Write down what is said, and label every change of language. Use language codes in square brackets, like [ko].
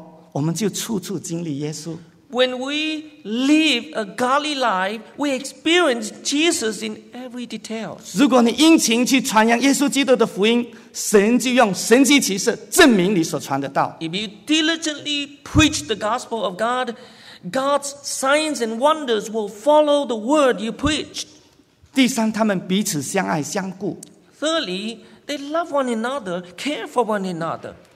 [zh] 当我们过敬虔的生活，我们就处处经历耶稣。 [en] When we live a godly life, we experience Jesus in every detail. [zh] 如果你殷勤去传扬耶稣基督的福音，神就用神迹奇事证明你所传的道。 [en] If you diligently preach the gospel of God, God's signs and wonders will follow the word you preach. [zh] 第三，他们彼此相爱相顾。 [en] Thirdly, they love one another, care for one another.